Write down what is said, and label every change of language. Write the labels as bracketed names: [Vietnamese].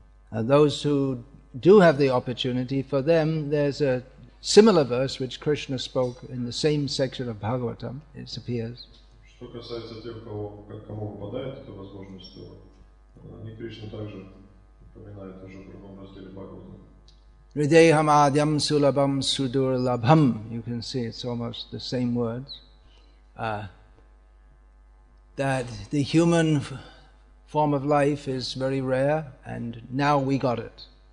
[English] Those who do have the opportunity, for them there's a similar verse which Krishna spoke in the same section of Bhagavatam, it appears. [Russian] Что касается тех, кого, кому выпадает эта возможность, то они Кришна также упоминают уже в другом разделе Бхагавата. [Sanskrit] Ридейхам адьям сулабам судур лабхам. [English] You can see it's almost the same words. That the human form of life is very rare, and now we got it.